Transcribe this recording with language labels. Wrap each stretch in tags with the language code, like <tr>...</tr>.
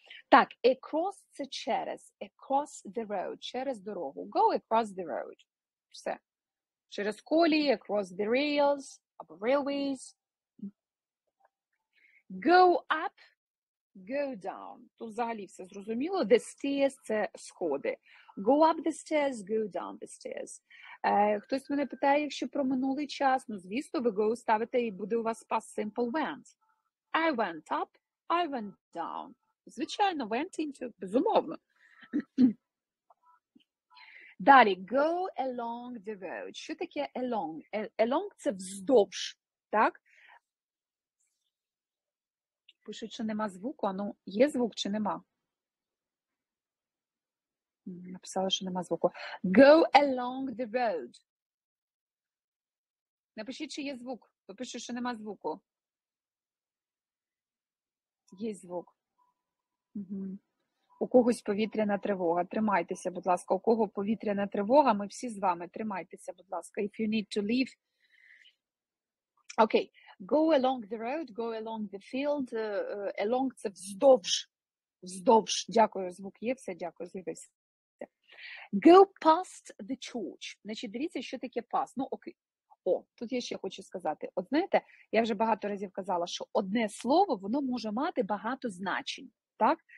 <uk>Так,</uk> <en>across –</en> <uk>це через,</uk> <en>across the road,</en> <uk>через дорогу,</uk> <en>go across the road, все.</en> <uk>Через колії,</uk> <en>across the rails, або railways. Go up, go down.</en> <uk>Тут взагалі все зрозуміло.</uk> <en>The stairs</en> <uk>– це сходи.</uk> <en>Go up the stairs, go down the stairs.</en> <uk>Хтось мене питає, якщо про минулий час. Ну, звісно, ви go ставите і буде у вас past simple went.</uk> <en>I went up, I went down.</en> <uk>Звичайно,</uk> <en>went into,</en> <uk>безумовно. Далі,</uk> <en>go along the road.</en> <uk>Що таке</uk> <en>along?</en> <uk>Along – це вздовж, так? Пишуть, що нема звуку, а ну, є звук чи нема? Написала, що нема звуку.</uk> <en>Go along the road.</en> <uk>Напишіть, чи є звук. Попишу, що нема звуку. Є звук. Угу. У когось повітряна тривога. Тримайтеся, будь ласка. У кого повітряна тривога, ми всі з вами. Тримайтеся, будь ласка.</uk> <en>If you need to leave. Окей. Go along the road, go along the field.</en> <uk>Along – це вздовж. Вздовж. Дякую, звук є, все, дякую, з'явився.</uk> <en>Go past the church.</en> <uk>Значить, дивіться, що таке past. Ну, окей. О, тут я ще хочу сказати. От знаєте, я вже багато разів казала, що одне слово, воно може мати багато значень. Так?</uk>